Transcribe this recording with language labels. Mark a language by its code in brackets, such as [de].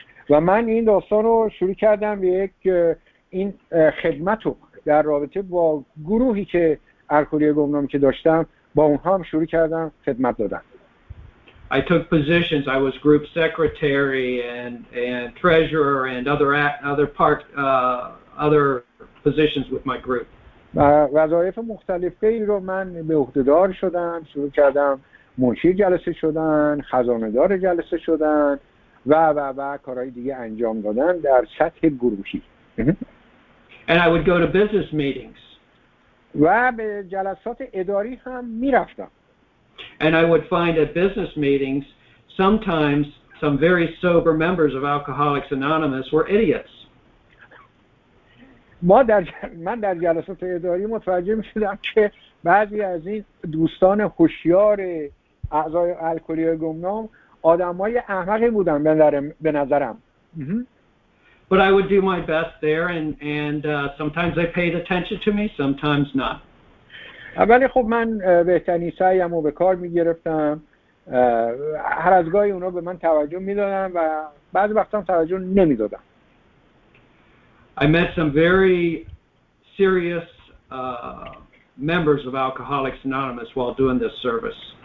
[fa] و من این داستان رو شروع کردم به یک این خدمت رو در رابطه با گروهی که الکلی گمنامی که داشتم با اونها هم شروع کردم خدمت دادن. [en] I took positions. I was group secretary and treasurer and other positions with my group. [fa] وظایف مختلفی رو من به عهده‌دار شدم، شروع کردم منشی جلسه شدن، خزانه‌دار جلسه شدن و و و کارهای دیگه انجام دادن در سطح گروهی. [en] And I would go to business meetings. [fa] و به جلسات اداری هم می‌رفتم. [en] And I would find at business meetings sometimes some very sober members of Alcoholics Anonymous were idiots. [fa] من در جلسات اداری متوجه می‌شدم که بعضی از این دوستان هوشیار اعضای الکلی گمنام آدم‌های احمقی بودن به نظرم. [en] But I would do my best there and sometimes they paid attention to me, sometimes not. [fa] ولی خب من بهترین سعیم رو به کار میگرفتم، هر از گاهی اونا به من توجه میدادن و بعضی وقتا هم توجه نمیدادن. [en] I met some very serious members of Alcoholics Anonymous while doing this service.